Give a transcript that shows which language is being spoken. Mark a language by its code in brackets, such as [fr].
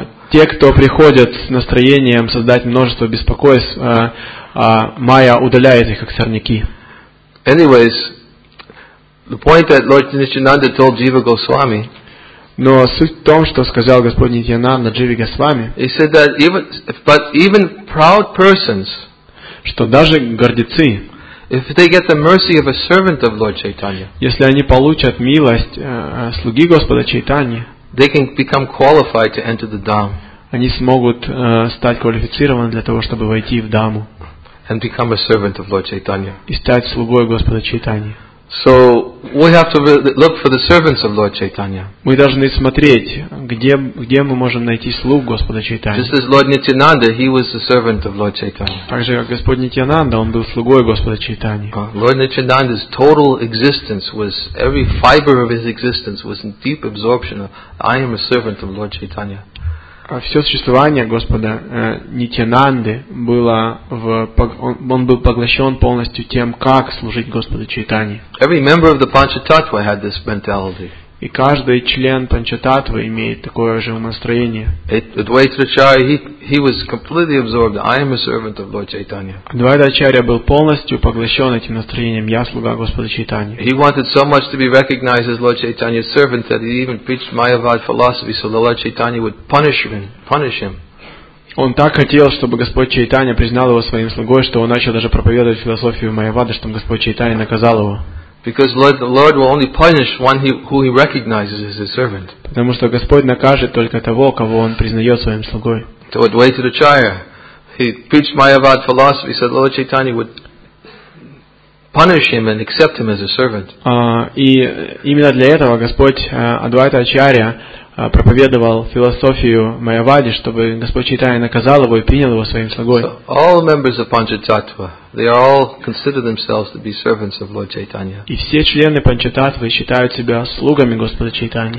[ru] Те, кто приходят с настроением создать множество беспокойств, Майя удаляет их как сорняки. [en] Anyways, the point that Lord Nityananda told Jiva Goswami. [ru] Но суть в том, что сказал Господь Нитьянанда Дживи Госвами. [en] He said that even proud persons, [ru] что даже гордецы, [en] if they get the mercy of a servant of Lord Chaitanya, [ru] если они получат милость слуги Господа Чайтани, [en] they can become qualified to enter the dham. [ru] Они смогут стать квалифицированы для того, чтобы войти в даму. [en] And become a servant of Lord Chaitanya. [ru] И стать слугой Господа Чайтани. [en] So we have to look for the servants of Lord Chaitanya. [ru] Мы должны смотреть, где мы можем найти слуг Господа Чайтани. [en] Just as Lord Nityananda, he was the servant of Lord Chaitanya. [ru] Также как Господь Нитьянанда, он был слугой Господа Чайтани. [en] Lord Nityananda's total existence was every fiber of his existence was in deep absorption of I am a servant of Lord Chaitanya. [ru] Все существование Господа Нитьянанды было в он был поглощен полностью тем, как служить Господу Чайтани. [en] Every member of the Panchatattva had this mentality. [ru] И каждый член Панчататвы имеет такое же умонастроение. [en] Advaita Acharya, he was completely absorbed. I am a servant of Lord Chaitanya. [ru] Advaita Acharya был полностью поглощен этим настроением. Я слуга Господа Чайтани. [en] He wanted so much to be recognized as Lord Chaitanya's servant that he even preached Mayavad philosophy so Lord Chaitanya would punish him. [ru] Он так хотел, чтобы Господь Чайтанья признал его своим слугой, что он начал даже проповедовать философию Майявады, чтобы Господь Чайтанья наказал его. [en] Because the Lord will only punish one who he recognizes as his servant. [ru] Потому что Господь накажет только того, кого он признает своим слугой. [en] To Advaita Acharya, he preached Mayavad philosophy, said Lord Chaitanya would punish him and accept him as a servant. [ru] И именно для этого Господь Адвайта Ачарья проповедовал философию Майявады, чтобы Господь Чайтанья наказал его и принял его своим слугой. [en] So all members of Panchatattva, they all consider themselves to be servants of Lord Chaitanya. [ru] И все члены Панчататвы считают себя слугами Господа Чайтани.